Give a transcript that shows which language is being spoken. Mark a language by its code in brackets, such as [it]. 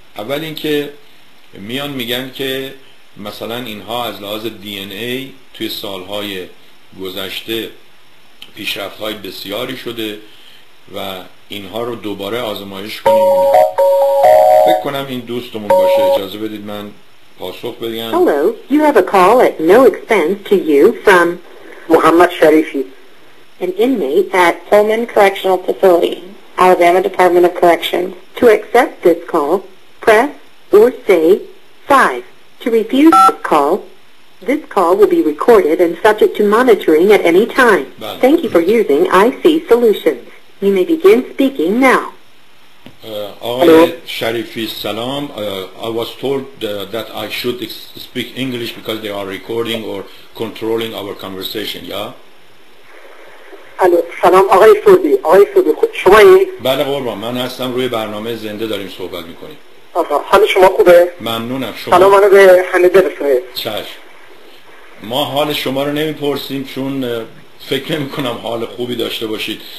[fa] اول اینکه میان میگن که مثلا اینها از لحاظ دی ان ای توی سالهای گذشته پیشرفت های بسیاری شده و اینها رو دوباره آزمایش کنیم. فکر کنم این دوستمون باشه، اجازه بدید من پاسخ بدیم. [en] Hello, you have a call at no expense to you from Muhammad Sharifi, an inmate at Pullman Correctional Facility, Alabama Department of Corrections. To accept this call, press or say 5. To refuse this call, this call will be recorded and subject to monitoring at any time. Thank you for using IC Solutions. You may begin speaking now. [fa] آقای شریفی سلام. [en] I was told that I should speak English because they are recording or controlling our conversation. Yeah. [fa] الو سلام آقای فردی. آقای فردی شمایی؟ بله قربان، من هستم، روی برنامه زنده داریم صحبت میکنیم. آقا حال شما خوبه؟ ممنونم. شما سلام منو به حمید برسونید. چش، ما حال شما رو نمیپرسیم چون فکر نمی‌کنم حال خوبی داشته باشید.